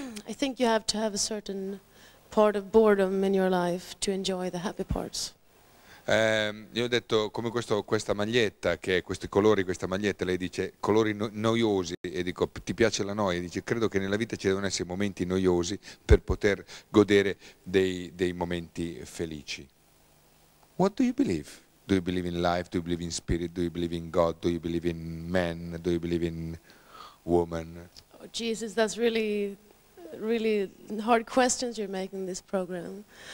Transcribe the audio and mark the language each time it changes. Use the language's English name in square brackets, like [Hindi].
[English] I think you have to have a certain part of boredom in your life to enjoy the happy parts. [Italian] Io ho detto, come questa maglietta, che è questi colori, questa maglietta, lei dice, colori noiosi, e dico, ti piace la noia? Dice, credo che nella vita ci devono essere momenti noiosi per poter godere dei momenti felici. [English] What do you believe? Do you believe in life? Do you believe in spirit? Do you believe in God? Do you believe in man? Do you believe in... woman. Oh, Jesus, that's really, really hard questions you're making this program.